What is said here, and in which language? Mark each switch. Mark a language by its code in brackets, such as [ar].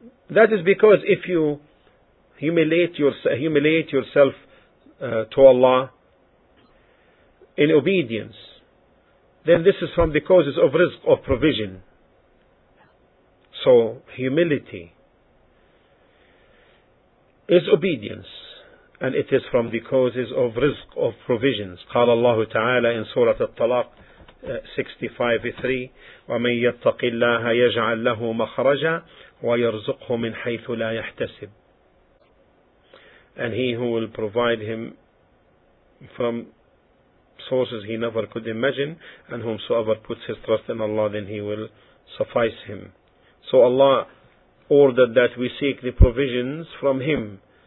[en] That is because if you humiliate yourself to Allah in obedience, then this is from the causes of rizq, of provision. So humility is obedience, and it is from the causes of rizq, of provisions. [ar] قال الله تعالى [en] in Surah At-Talaq 65:3, [ar] وَمَنْ يَتَّقِ اللَّهَ يَجْعَلْ لَهُ مَخْرَجًا وَيَرْزُقْهُ مِنْ حَيْثُ لَا يَحْتَسِبُ. [en] And he who will provide him from sources he never could imagine, and whomsoever puts his trust in Allah, then he will suffice him. So Allah ordered that we seek the provisions from him.